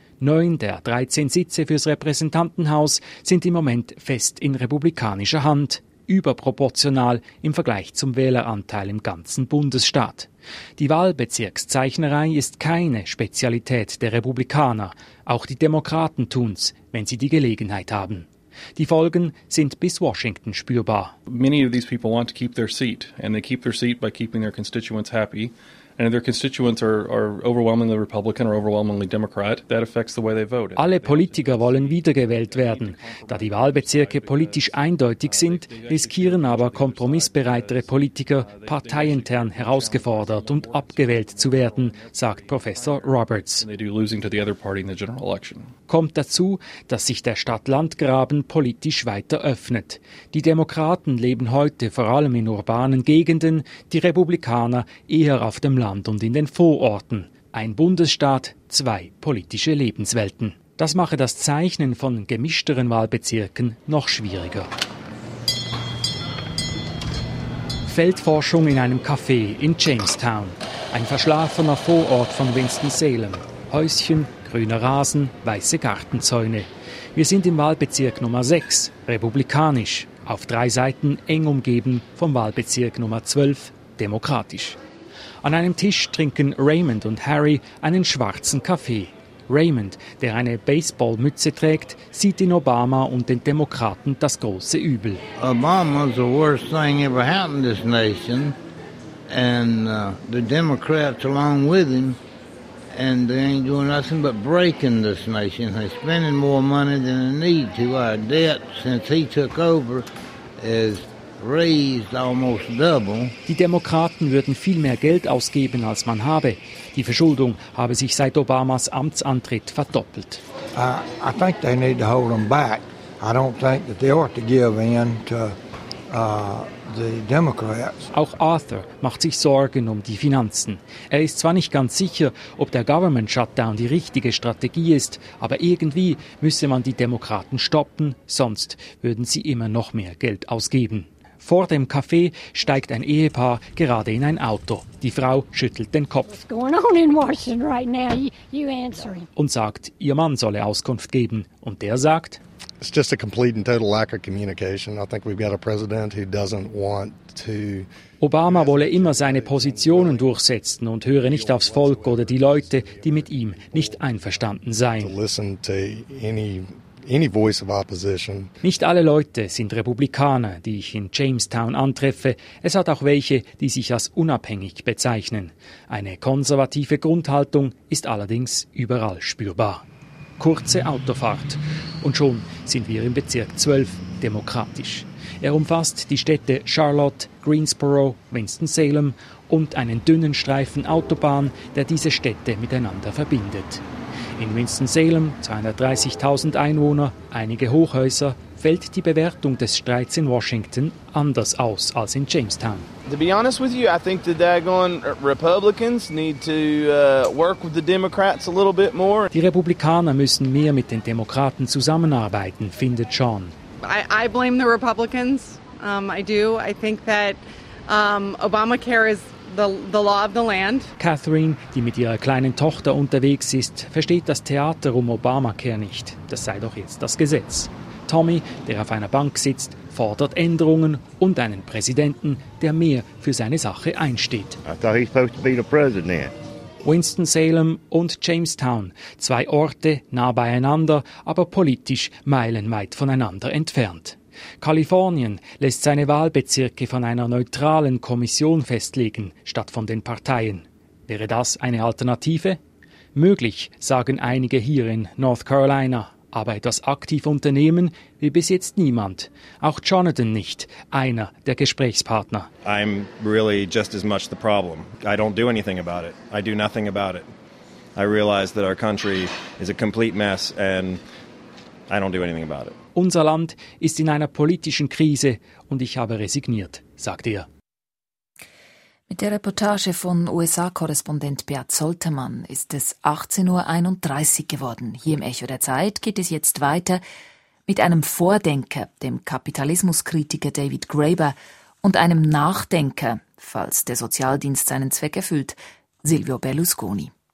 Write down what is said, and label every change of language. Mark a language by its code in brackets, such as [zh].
[de] 9 der 13 Sitze fürs Repräsentantenhaus sind im Moment fest in republikanischer Hand, überproportional im Vergleich zum Wähleranteil im ganzen Bundesstaat. Die Wahlbezirkszeichnerei ist keine Spezialität der Republikaner. Auch die Demokraten tun's, wenn sie die Gelegenheit haben. Die Folgen sind bis Washington spürbar. [en] Many of these people want to keep their seat, and they keep their seat by keeping their constituents happy. And their constituents are overwhelmingly Republican or overwhelmingly Democrat. That affects the way they vote. [de] Alle Politiker wollen wiedergewählt werden. Da die Wahlbezirke politisch eindeutig sind, riskieren aber kompromissbereitere Politiker, parteiintern herausgefordert und abgewählt zu werden, sagt Professor Roberts. [en] They do losing to the other party in the general election. [de] Kommt dazu, dass sich der Stadt-Land-Graben politisch weiter öffnet. Die Demokraten leben heute vor allem in urbanen Gegenden, die Republikaner eher auf dem Land und in den Vororten. Ein Bundesstaat, zwei politische Lebenswelten. Das mache das Zeichnen von gemischteren Wahlbezirken noch schwieriger. Feldforschung in einem Café in Jamestown. Ein verschlafener Vorort von Winston-Salem. Häuschen, grüner Rasen, weiße Gartenzäune. Wir sind im Wahlbezirk Nummer 6, republikanisch. Auf 3 Seiten eng umgeben vom Wahlbezirk Nummer 12, demokratisch. An einem Tisch trinken Raymond und Harry einen schwarzen Kaffee. Raymond, der eine Baseballmütze trägt, sieht in Obama und den Demokraten das große Übel. [en] Obama is the worst thing ever happened in this nation. And the Democrats along with him. And they ain't doing nothing but breaking this nation. They're spending more money than they need to. Our debt since he took over is raised almost double. [de] Die Demokraten würden viel mehr Geld ausgeben, als man habe. Die Verschuldung habe sich seit Obamas Amtsantritt verdoppelt. [en] I think they need to hold them back. I don't think that they ought to give in to the Democrats. [de] Auch Arthur macht sich Sorgen um die Finanzen. Er ist zwar nicht ganz sicher, ob der Government Shutdown die richtige Strategie ist, aber irgendwie müsse man die Demokraten stoppen, sonst würden sie immer noch mehr Geld ausgeben. Vor dem Café steigt ein Ehepaar gerade in ein Auto. Die Frau schüttelt den Kopf. [en] What's going on in Washington right now? You answering. [de] Und sagt, ihr Mann solle Auskunft geben. Und der sagt, [en] It's just a complete and total lack of communication. I think we've got a president who doesn't want to... [de] Obama wolle immer seine Positionen durchsetzen und höre nicht aufs Volk oder die Leute, die mit ihm nicht einverstanden seien. [en] Listen to any voice of opposition. [de] Nicht alle Leute sind Republikaner, die ich in Jamestown antreffe. Es hat auch welche, die sich als unabhängig bezeichnen. Eine konservative Grundhaltung ist allerdings überall spürbar. Kurze Autofahrt. Und schon sind wir im Bezirk 12 demokratisch. Er umfasst die Städte Charlotte, Greensboro, Winston-Salem und einen dünnen Streifen Autobahn, der diese Städte miteinander verbindet. In Winston-Salem, 230.000 Einwohner, einige Hochhäuser, fällt die Bewertung des Streits in Washington anders aus als in Jamestown. [en] To be honest with you, I think the daggone Republicans need to work with the Democrats a little bit more. [de] Die Republikaner müssen mehr mit den Demokraten zusammenarbeiten, findet Sean. [en] I blame the Republicans. I do. I think that Obamacare is the law of the land. [de] Catherine, die mit ihrer kleinen Tochter unterwegs ist, versteht das Theater um Obamacare nicht. Das sei doch jetzt das Gesetz. Tommy, der auf einer Bank sitzt, fordert Änderungen und einen Präsidenten, der mehr für seine Sache einsteht. [en] I thought he was supposed to be the president. [de] Winston-Salem und Jamestown, zwei Orte nah beieinander, aber politisch meilenweit voneinander entfernt. Kalifornien lässt seine Wahlbezirke von einer neutralen Kommission festlegen, statt von den Parteien. Wäre das eine Alternative? Möglich, sagen einige hier in North Carolina. Aber etwas aktiv unternehmen will bis jetzt niemand. Auch Jonathan nicht, einer der Gesprächspartner. [en] I'm really just as much the problem. I don't do anything about it. I do nothing about it. I realize that our country is a complete mess and I don't do anything about it. [de] Unser Land ist in einer politischen Krise und ich habe resigniert, sagt er. Mit der Reportage von USA-Korrespondent Beat Soltermann ist es 18.31 Uhr geworden. Hier im Echo der Zeit geht es jetzt weiter mit einem Vordenker, dem Kapitalismuskritiker David Graeber, und einem Nachdenker, falls der Sozialdienst seinen Zweck erfüllt, Silvio Berlusconi.